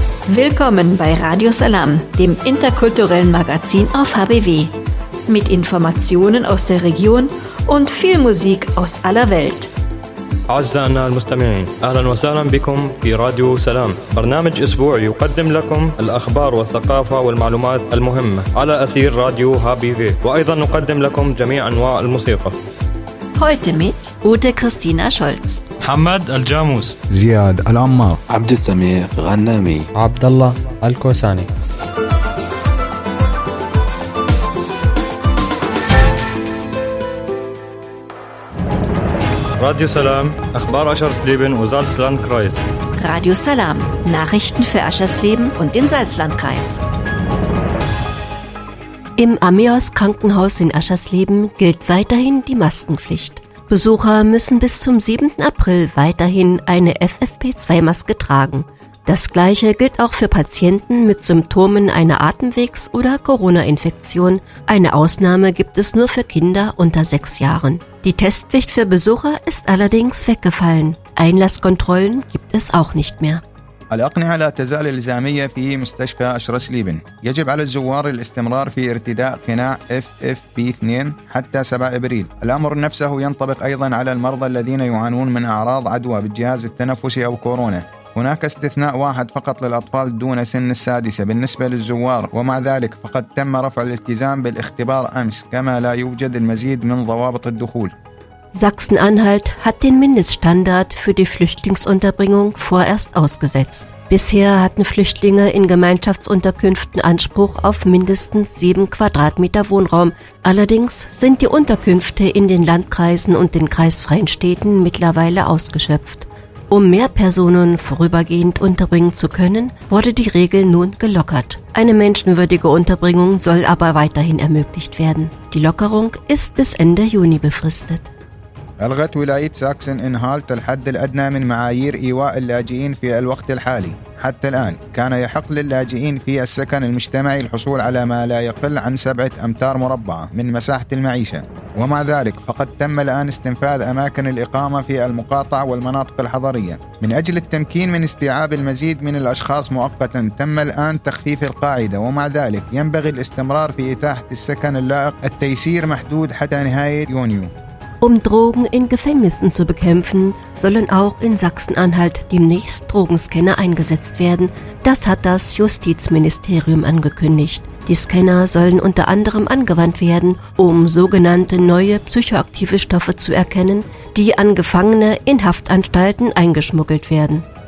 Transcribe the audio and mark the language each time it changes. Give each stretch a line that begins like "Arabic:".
German: Willkommen bei Radio Salam, dem interkulturellen Magazin auf HBW. Mit Informationen aus der Region und viel Musik aus aller Welt.
Arabic: أعزائنا المستمعين أهلا وسهلا بكم في راديو سلام برنامج أسبوعي يقدم لكم الأخبار والثقافة والمعلومات المهمة على أثير راديو هابي في وأيضا نقدم لكم جميع أنواع الموسيقى
German: Heute mit Ute Christina Scholz
Arabic: محمد الجاموس زياد العمار عبد السمير غنامي عبد الله الكوساني
German: Radio Salam, Akhbar Aschersleben und Salzlandkreis. Radio Salam, Nachrichten für Aschersleben und den Salzlandkreis. Im Amios-Krankenhaus in Aschersleben gilt weiterhin die Maskenpflicht. Besucher müssen bis zum 7. April weiterhin eine FFP2-Maske tragen. Das Gleiche gilt auch für Patienten mit Symptomen einer Atemwegs- oder Corona-Infektion. Eine Ausnahme gibt es nur für Kinder unter 6 Jahren. Die Testpflicht für Besucher ist allerdings weggefallen. Einlasskontrollen gibt es auch nicht mehr.
Arabic: الأقنعة لا تزال إلزامية في مستشفى أشرسليبن. يجب على الزوار الاستمرار في ارتداء قناع FFP2 حتى 7 أبريل. الأمر نفسه ينطبق أيضا على المرضى الذين يعانون من أعراض عدوى بالجهاز التنفسي أو كورونا. هناك استثناء واحد فقط للأطفال دون سن 6 بالنسبة للزوار ومع ذلك فقد تم رفع الالتزام بالاختبار أمس كما لا يوجد المزيد من ضوابط الدخول
German: Sachsen-Anhalt hat den Mindeststandard für die Flüchtlingsunterbringung vorerst ausgesetzt. Bisher hatten Flüchtlinge in Gemeinschaftsunterkünften Anspruch auf mindestens 7 Quadratmeter Wohnraum. Allerdings sind die Unterkünfte in den Landkreisen und den kreisfreien Städten mittlerweile ausgeschöpft. Um mehr Personen vorübergehend unterbringen zu können, wurde die Regel nun gelockert. Eine menschenwürdige Unterbringung soll aber weiterhin ermöglicht werden. Die Lockerung ist bis Ende Juni befristet. ألغت ولاية ساكسن إنهالت الحد الأدنى من معايير إيواء اللاجئين في الوقت الحالي. حتى الآن كان يحق للاجئين في السكن المجتمعي الحصول على ما لا يقل عن 7 أمتار مربعة من مساحة المعيشة. ومع ذلك فقد تم الآن استنفاذ أماكن الإقامة في المقاطعة والمناطق الحضرية. من أجل التمكين من استيعاب المزيد من الأشخاص مؤقتا تم الآن تخفيف القاعدة ومع ذلك ينبغي الاستمرار في إتاحة السكن اللائق. التيسير محدود حتى نهاية يونيو. Um Drogen in Gefängnissen zu bekämpfen, sollen auch in Sachsen-Anhalt demnächst Drogenscanner eingesetzt werden. Das hat das Justizministerium angekündigt. Die Scanner sollen unter anderem angewandt werden, um sogenannte neue psychoaktive Stoffe zu erkennen, die an Gefangene in Haftanstalten eingeschmuggelt werden.